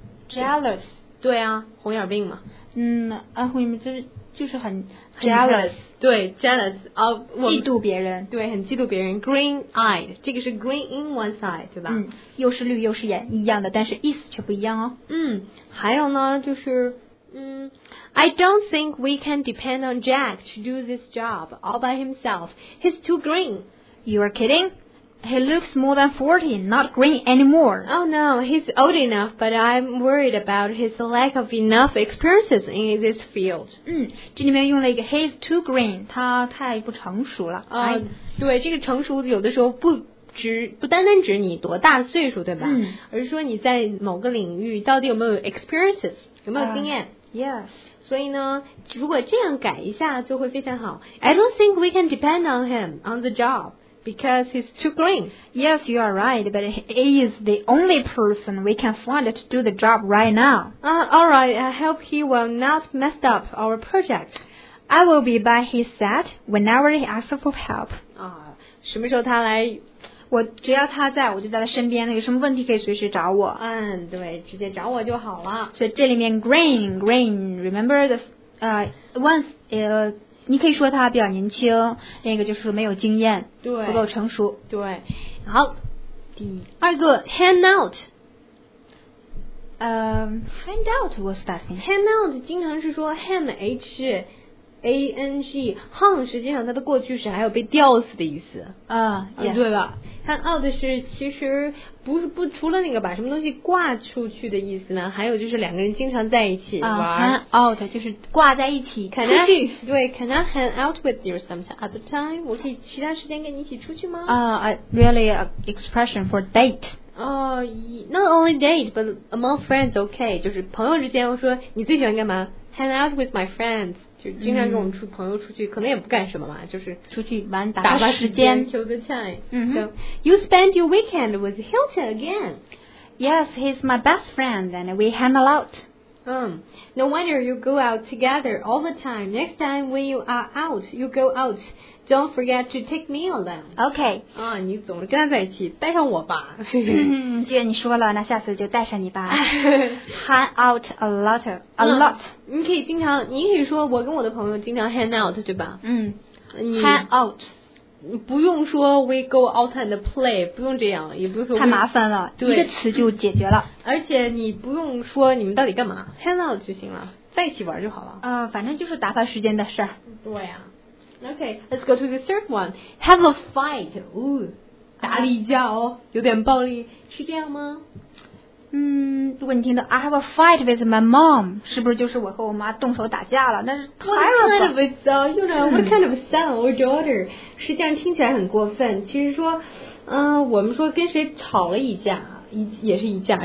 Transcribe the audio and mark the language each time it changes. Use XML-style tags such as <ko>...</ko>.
<en>jealous，</en> <zh>对啊，红眼病嘛。红眼病就是很 jealous，对 jealous，嫉妒别人，对，很嫉妒别人。</zh> <en>Green eyed，</en> <zh>这个是</zh> <en>green in one's eye，</en> <zh>对吧？又是绿又是眼一样的，但是意思却不一样哦。还有呢，就是</zh> <en>I don't think we can depend on Jack to do this job all by himself. He's too green. You are kidding? He looks more than 40, not green anymore. Oh no, he's old enough, but I'm worried about his lack of enough experiences in this field.</en> <zh>这里面用了一个 he's too green, 他太不成熟了。对，这个成熟有的时候不单单指你多大岁数，对吧？而是说你在某个领域到底有没有 experiences, 有没有经验。</zh> <en>Yes.</en> <zh>所以呢，如果这样改一下就会非常好。</zh> <en>I don't think we can depend on him on the job because he's too green. Yes, you are right, but he is the only person we can find to do the job right now. Alright, I hope he will not mess up our project. I will be by his side whenever he asks for help.</en> <zh>什么时候他来？我只要他在我就在他身边，有什么问题可以随时找我。对，直接找我就好了。所以这里面 green,</zh> <en>remember the, once,</en> <zh>你可以说他比较年轻，那个就是没有经验，对，不够成熟。对，好，第二个 hand out。</zh> <en>Hand out, what's that mean?</en> <zh>Hand out 经常是说 ham, hung, 实际上它的过去式还有被吊死的意思。</zh> <en>Yes.</en> <zh>对吧？ Hang out 是其实不除了那个把什么东西挂出去的意思呢，还有就是两个人经常在一起玩。 Hang out 就是挂在一起。</zh> <en>Can I hang out with you sometime at the time?</en> <zh>我可以其他时间跟你一起出去吗？</zh> <en>Really an expression for date. Not only date, but among friends, okay.</en> <zh>就是朋友之间，我说你最喜欢干嘛？</zh> <en>Hang out with my friends,</en> <zh>就经常跟我们出朋友出去，可能也不干什么嘛，就是出去玩打发时间</zh> <en>，kill the time. So you spend your weekend with Hilton again? Yes, he's my best friend, and we hang a lot. No wonder you go out together all the time. Next time when you are out, you go out. Don't forget to take me along. Okay.</en> <zh>你总是跟他在一起，带上我吧。既然你说了，那下次就带上你吧。</zh> <en>Hang out a lot, a lot.</en> <zh>你可以经常，你可以说我跟我的朋友经常 hang out, 对吧？</zh> <en>Hang out.</en> <zh>不用说</zh> <en>we go out and play,</en> <zh>不用这样，也不用说太麻烦了，对，一个词就解决了。而且你不用说你们到底干嘛 ，hang out 就行了，在一起玩就好了。反正就是打发时间的事儿。对呀、</zh> <en>Okay, let's go to the third one. Have a fight.</en> <zh>打了一架哦，有点暴力，是这样吗？如果你听到</zh> <en>I have a fight with my mom,</en> <zh>是不是就是我和我妈动手打架了？那是</zh> <en>terrible. What kind of a son, you know, what kind of son or daughter?</en> <zh>实际上听起来很过分。其实说，我们说跟谁吵了一架，也是一架。</zh>